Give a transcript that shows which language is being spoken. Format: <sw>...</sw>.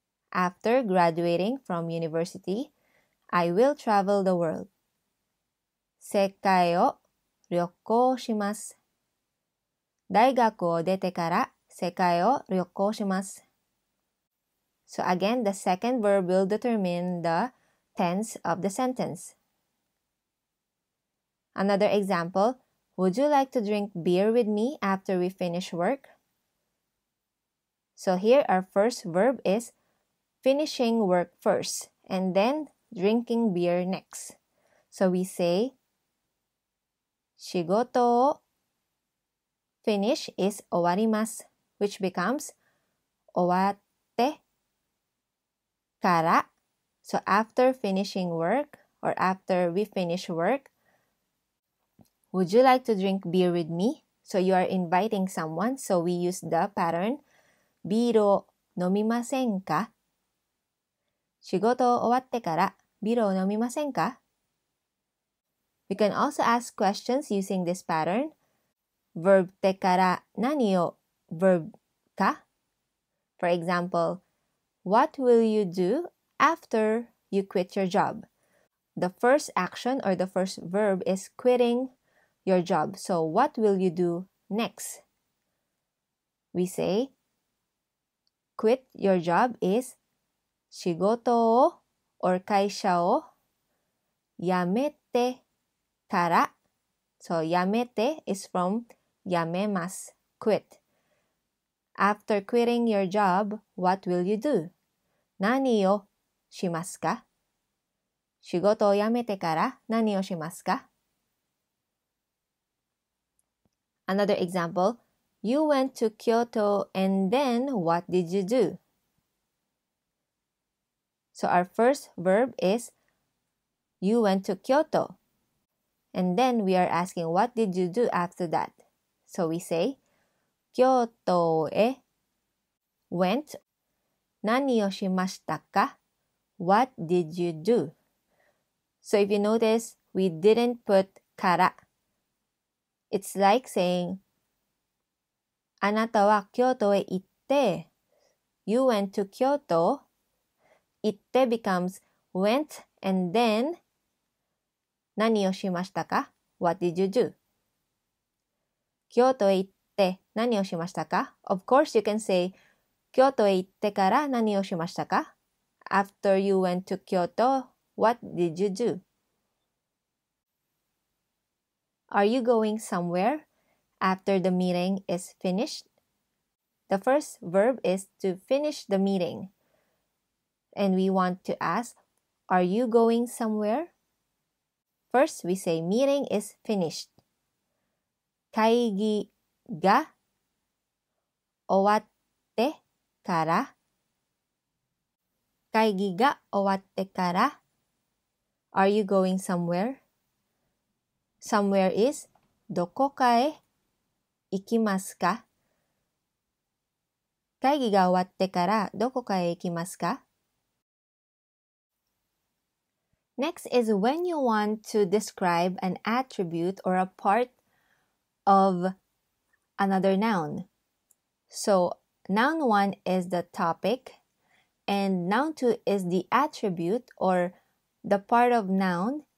<en>After graduating from university, I will travel the world.</en> <ja>世界を旅行します。大学を出てから世界を旅行します。</ja> <en>So again, the second verb will determine the tense of the sentence. Another example, would you like to drink beer with me after we finish work? So here our first verb is finishing work first and then drinking beer next. So we say,</en> <ja>仕事を</ja> <en>finish is</en> <ja>終わります,</ja> <en>which becomes</en> <ja>終わってから.</ja> <en>So after finishing work or after we finish work,Would you like to drink beer with me? So you are inviting someone. So we use the pattern.</en> <ja>ビールを飲みませんか?仕事を終わってからビールを飲みませんか?</ja> <en>We can also ask questions using this pattern. Verb てから何を verb か? For example, what will you do after you quit your job? The first action or the first verb is quitting. Your job. So what will you do next? We say, quit your job is</en> <ja>仕事を or 会社を辞めてから</ja> <en>So 辞めて is from 辞めます quit. After quitting your job, what will you do?</en> <ja>何をしますか? 仕事を辞めてから何をしますか?</ja> <en>Another example, you went to Kyoto and then what did you do? So our first verb is, you went to Kyoto. And then we are asking, what did you do after that? So we say, Kyoto e went.</en> <ja>何をしましたか?</ja> <en>What did you do? So if you notice, we didn't put から. It's like saying,</en> <ja>あなたは京都へ行って,</ja> <en>you went to Kyoto. 行って becomes went and then</en> <ja>何をしましたか?</ja> <en>What did you do?</en> <ja>京都へ行って何をしましたか?</ja> <en>Of course, you can say</en> <ja>京都へ行ってから何をしましたか?</ja> <en>After you went to Kyoto, what did you do? Are you going somewhere after the meeting is finished? The first verb is to finish the meeting. And we want to ask, are you going somewhere? First, we say meeting is finished.</en> <ja>会議が終わってから会議が終わってから</ja> <en>Are you going somewhere? Somewhere is</en> <ja>どこかへ行きますか? 会議が終わってからどこかへ行きますか?</ja> <en>Next is when you want to describe an attribute or a part of another noun. So, noun one is the topic. And noun 2 is the attribute or the part of noun.</en>